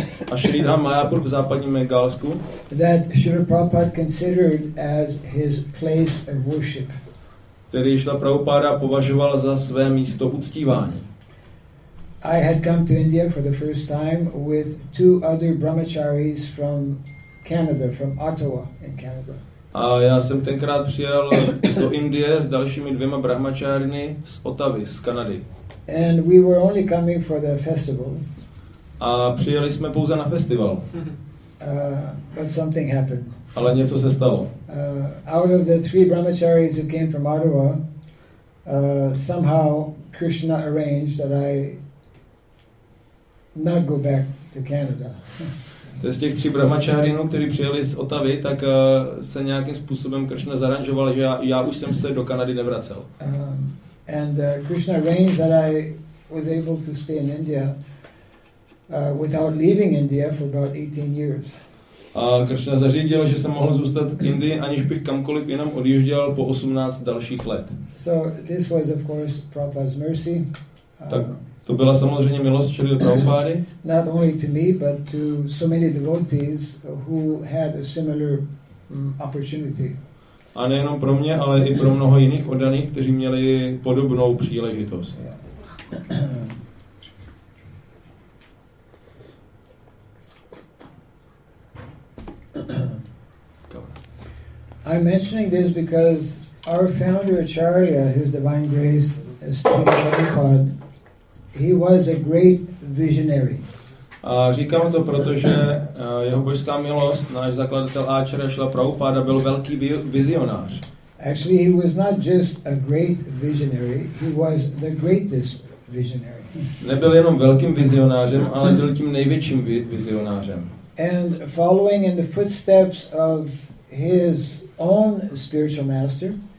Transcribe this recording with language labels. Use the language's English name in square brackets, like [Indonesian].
[Czech] A Sridhar Mayapur v západním Bengálsku. [English] That Srila Prabhupada considered as his place of worship. [Czech] Který Srila Prabhupada považoval za své místo uctívání. [English] I had come to India for the first time with two other brahmacharis from Canada, from Ottawa in Canada. [Czech] A já jsem tenkrát přijel do Indie s dalšími dvěma brahmačárny z Ottawy, z Kanady. [English] And we were only coming for the festival. [Czech] A přijeli jsme pouze na festival. [English] But something happened. [Czech] Ale něco se stalo. [English] Out of the three brahmacharis who came from Ottawa, somehow Krishna arranged that I not go back to Canada. [Czech] z těch tří brahmačárinů, kteří přijeli z Otavy, tak se nějakým způsobem Krishna zaranžoval, že já už jsem se do Kanady nevracel. [English] And Krishna arranged that I was able to stay in India without leaving India for about 18 years. [Czech] A Krishna zařídil, že jsem mohl zůstat v Indii, aniž bych kamkoliv jinam odjížděl po 18 dalších let. [English] So this was of course Prabhupada's mercy. [Czech] Tak to byla samozřejmě milost Šrily Prabhupády. [English] Not only to me, but to so many devotees who had a similar opportunity. [Czech] A nejenom pro mě, ale i pro mnoho jiných oddaných, kteří měli podobnou příležitost. [English] I'm mentioning this because our founder Acharya, His Divine Grace, Srila Prabhupada, he was a great visionary. [Czech] A říkám to, protože jeho božská milost, náš zakladatel Acharya Srila Prabhupada, byl velký vizionář. [English] Actually, he was not just a great visionary, he was the greatest visionary. [Czech] Nebyl jenom velkým vizionářem, ale byl tím největším vizionářem. [English] And following in the footsteps of his own spiritual master,